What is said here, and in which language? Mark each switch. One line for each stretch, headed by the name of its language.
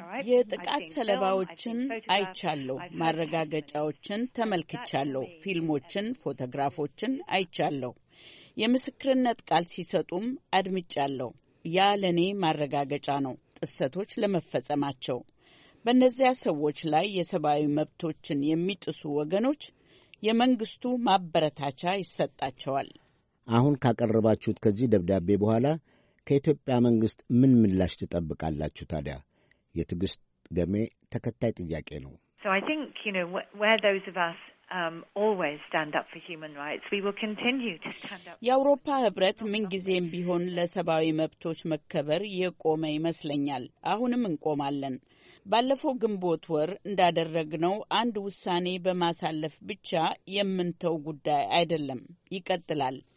Amharic: የጥቃት ሰለባዎችን አይቻለሁ፣ ማረጋገጫዎችን ተመልክቻለሁ፣ ፊልሞችን፣ ፎቶግራፎችን አይቻለሁ፣ የምስክርነት ቃል ሲሰጡም አድምጫለሁ። ያ ለእኔ ማረጋገጫ ነው ጥሰቶች ለመፈጸማቸው። በእነዚያ ሰዎች ላይ የሰብአዊ መብቶችን የሚጥሱ ወገኖች የመንግስቱ ማበረታቻ ይሰጣቸዋል። አሁን ካቀረባችሁት ከዚህ ደብዳቤ በኋላ ከኢትዮጵያ መንግስት ምን ምላሽ ትጠብቃላችሁ ታዲያ? የትዕግሥት ገሜ ተከታይ ጥያቄ ነው።
English: So I think, you know, where those of us always stand up for human rights, we will continue to stand up.
Amharic: የአውሮፓ ህብረት ምን ጊዜም ቢሆን ለሰብአዊ መብቶች መከበር የቆመ ይመስለኛል። አሁንም እንቆማለን። ባለፈው ግንቦት ወር እንዳደረግነው አንድ ውሳኔ በማሳለፍ ብቻ የምንተው ጉዳይ አይደለም፣ ይቀጥላል።